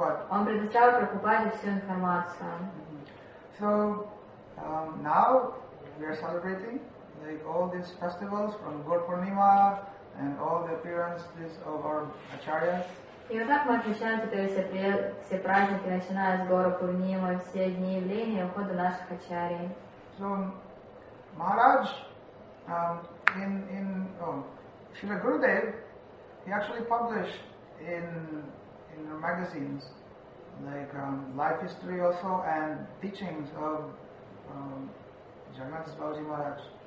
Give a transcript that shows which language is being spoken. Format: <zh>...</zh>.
<ru>Он предоставил Прабхупаде всю информацию.</ru> <en>So now we are celebrating like all these festivals from Gaur Purnima and all the appearances of our acharyas.</en> <ru>И вот так мы отмечаем теперь все праздники, начиная с Гору Пурнимы, все дни явления и ухода наших ачарий.</ru> <en>So Maharaj in Srila Gurudev, he actually published in the magazines, like life history also and teachings of Jagannath Babaji Maharaj.</en>